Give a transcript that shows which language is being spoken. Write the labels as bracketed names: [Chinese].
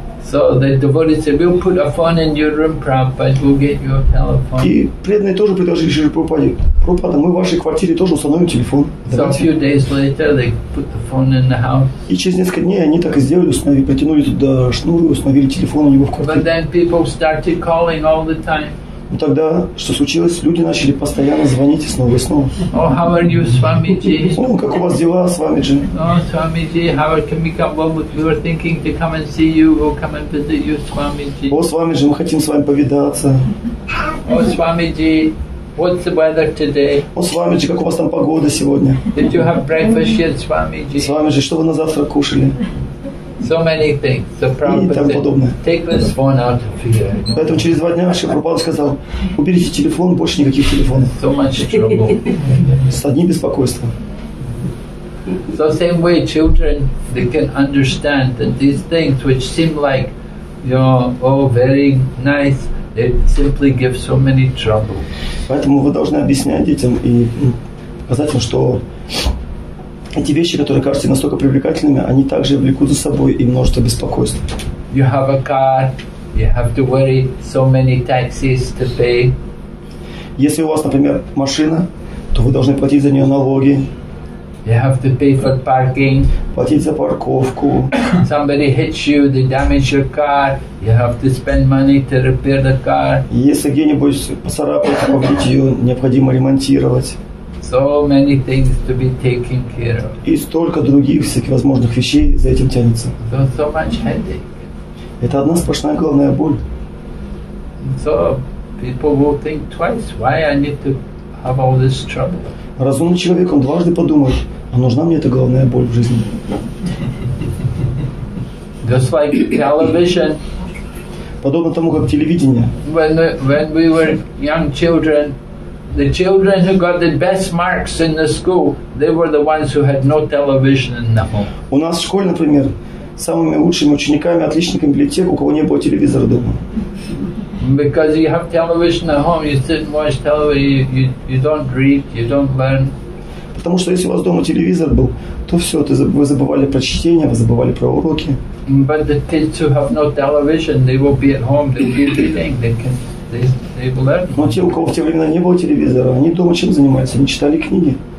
[English] So the devotees said, "We'll put a phone in your room, Prabhupada. We'll get you a telephone." [Russian] И преданные тоже предложили Шриле Прабхупаде: "Прабхупада, мы в вашей квартире тоже установим телефон." Давайте. [English] So a few days later, they put the phone in the house. [Russian] И через несколько дней они так и сделали, установили, притянули туда шнур и установили телефон у него в квартире. [English] But then people started calling all the time. [Russian] Но тогда что случилось? Люди начали постоянно звонить снова и снова. [English] Oh, how are you, Swamiji? [Russian] Oh, как у вас дела, Свамиджи? [English] Oh, Swamiji, how can we come home? We were thinking to come and see you. We'll come and visit you, Swamiji. [Russian] Oh, Свамиджи, мы хотим с вами повидаться. [English] Oh, Swamiji, what's the weather today? [Russian] Oh, Свамиджи, как у вас там погода сегодня? [English] Did you have breakfast yet, Swamiji? [Russian] Свамиджи, что вы на завтра кушали? [English] So many things. Take this phone out of here. [Russian] Поэтому через два дня Шрила Прабхупада сказал: уберите телефон, больше никаких телефонов. [English] So much trouble. [Russian] С одним беспокойством. [English] So same way, children, they can understand that these things, which seem like, you know, oh, very nice, they simply give so many trouble. [Russian] Поэтому вы должны объяснять детям и показать им, что эти вещи, которые кажутся настолько привлекательными, они также влекут за собой и множество беспокойств. [English] You have a car, you have to worry so many taxes to pay. [Russian] Если у вас, например, машина, то вы должны платить за нее налоги. [English] You have to pay for parking. [Russian] Платить за парковку. [English] Somebody hits you, they damage your car. You have to spend money to repair the car. [Russian] Если где-нибудь поцарапать, побить ее, необходимо ремонтировать. [English] So many things to be taken care of. [Russian] И столько других всяких возможных вещей за этим тянется. [English] So, so much headache. [Russian] Это одна сплошная головная боль. [English] So people will think twice, why I need to have all this trouble. [Russian] Разумный человек, он дважды подумает, а нужна мне эта головная боль в жизни? [English] Just like television. [Russian] Подобно тому, как телевидение. [English] When we were young children, the children who got the best marks in the school, they were the ones who had no television in the home. [Russian] У нас в школе, например, самыми лучшими учениками, отличниками были те, у кого не было телевизора дома. [English] Because you have television at home, you sit and watch television, you don't read, you don't learn. [Russian] Потому что если у вас дома телевизор был, то все, вы забывали про чтение, вы забывали про уроки. [English] But the kids who have no television, they will be at home, they will be reading, they can. [Russian] Но те, у кого в те времена не было телевизора, они дома чем занимались? Они читали книги.